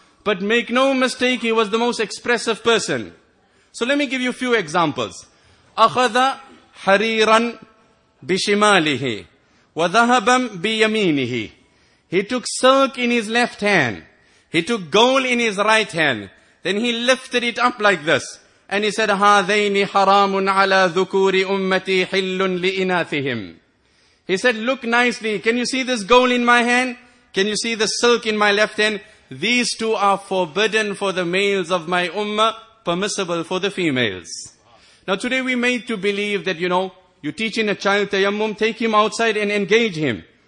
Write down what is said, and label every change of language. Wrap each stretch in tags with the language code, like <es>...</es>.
<en>But make no mistake, he was the most expressive person. So let me give you a few examples.</en> <ar>أَخَذَ حَرِيرًا بِشِمَالِهِ وَذَهَبًا بِيَمِينِهِ.</ar> <en>He took silk in his left hand. He took gold in his right hand. Then he lifted it up like this. And he said,</en> <ar>هَذَيْنِ حَرَامٌ عَلَىٰ ذُكُورِ أُمَّتِي حِلٌّ لِإِنَاثِهِمْ.</ar> <en>He said, look nicely. Can you see this gold in my hand? Can you see the silk in my left hand? These two are forbidden for the males of my ummah, permissible for the females. Now today we made to believe that, you know, you teach in a child tayammum, take him outside and engage him.</en>